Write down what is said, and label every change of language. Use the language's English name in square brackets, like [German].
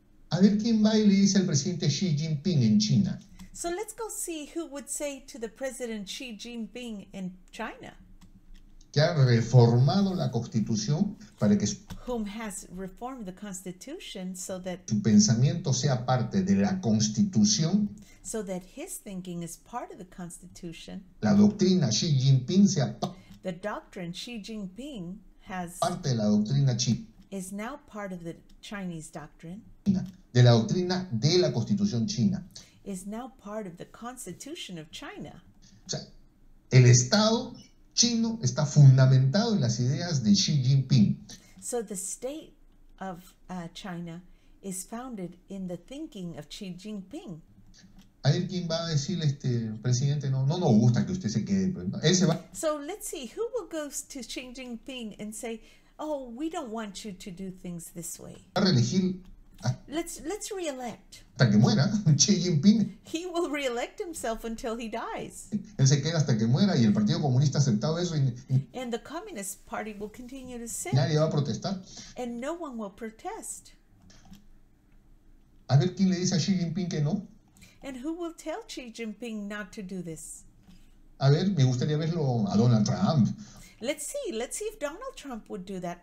[Spanish] A ver quién va y le dice al presidente Xi Jinping en China. [English] So let's go see who would say to the president Xi Jinping in China. [Spanish] Que ha reformado la constitución para que [English] whom has reformed the constitution so that [Spanish] su pensamiento sea parte de la constitución. [English] So that his thinking is part of the constitution. [Spanish] La doctrina Xi Jinping sea [English] the doctrine Xi Jinping has [Spanish] parte de la doctrina Xi [English] is now part of the Chinese doctrine. [Spanish] De la doctrina de la constitución china. [English] Is now part of the constitution of China. [Spanish] O sea, el Estado chino está fundamentado en las ideas de Xi Jinping. [English] So the state of China is founded in the thinking of Xi Jinping. [Spanish] A ver quién va a decirle este presidente, no, no nos gusta que usted se quede. Él se va. [English] So let's see, who will go to Xi Jinping and say, oh, we don't want you to do things this way. [Spanish] Va a reelegir. [English] Let's re-elect. [Spanish] Hasta que muera, Xi Jinping. [English] He will re-elect himself until he dies. [Spanish] Él se queda hasta que muera y el Partido Comunista ha aceptado eso. [English] And the Communist Party will continue to sit. [Spanish] Nadie va a protestar. [English] And no one will protest. [Spanish] A ver quién le dice a Xi Jinping que no. [English] And who will tell Xi Jinping not to do this? [Spanish] A ver, me gustaría verlo a Donald Trump. [English] Let's see if Donald Trump would do that.